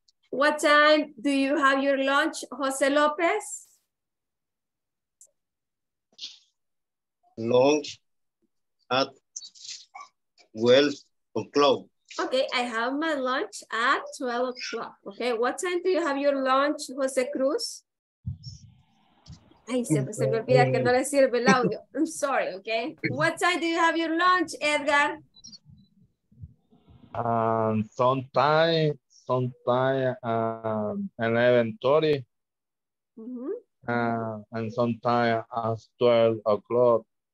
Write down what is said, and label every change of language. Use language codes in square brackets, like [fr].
[en] What time do you have your lunch, Jose Lopez? Lunch at 12 o'clock. Okay, I have my lunch at 12 o'clock. Okay, what time do you have your lunch, Jose Cruz? [es] Ay, se me olvida que no le sirve el audio. [en] I'm sorry, okay? What time do you have your lunch, Edgar? Sometimes 11:30. Mm-hmm. And sometimes at 12 o'clock.